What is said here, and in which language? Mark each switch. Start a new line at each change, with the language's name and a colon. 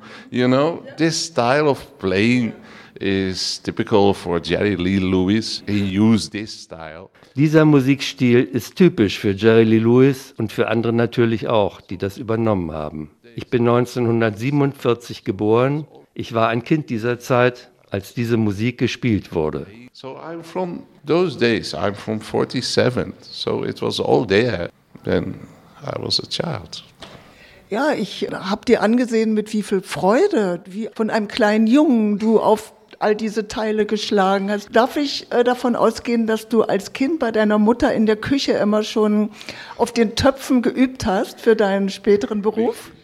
English: You know, this style of playing is typical for Jerry Lee Lewis. He used this style.
German: Dieser Musikstil ist typisch für Jerry Lee Lewis und für andere natürlich auch, die das übernommen haben. Ich bin 1947 geboren. Ich war ein Kind dieser Zeit, als diese Musik gespielt wurde.
English: So I'm from those days. I'm from 47. So it was all there when I was a child.
German: Ja, ich habe dir angesehen, mit wie viel Freude, wie von einem kleinen Jungen du auf all diese Teile geschlagen hast. Darf ich davon ausgehen, dass du als Kind bei deiner Mutter in der Küche immer schon auf den Töpfen geübt hast für deinen späteren Beruf?